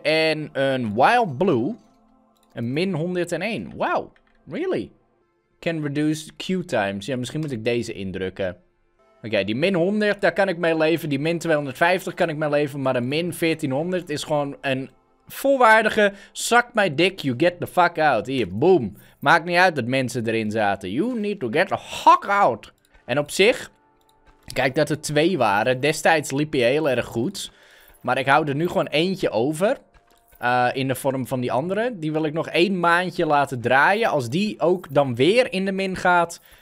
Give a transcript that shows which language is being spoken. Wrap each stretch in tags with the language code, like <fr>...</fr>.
<nl>En een Wild Blue. Een min 101.</nl> <en>Wow, really? Can reduce queue times.</en> <nl>Ja, misschien moet ik deze indrukken. Oké, die min 100, daar kan ik mee leven. Die min 250 kan ik mee leven. Maar een min 1400 is gewoon een volwaardige...</nl> <en>suck my dick, you get the fuck out.</en> <nl>Hier, boom. Maakt niet uit dat mensen erin zaten.</nl> <en>You need to get the fuck out.</en> <nl>En op zich... kijk, dat er twee waren. Destijds liep hij heel erg goed. Maar ik hou er nu gewoon eentje over. In de vorm van die andere. Die wil ik nog één maandje laten draaien. Als die ook dan weer in de min gaat.</nl>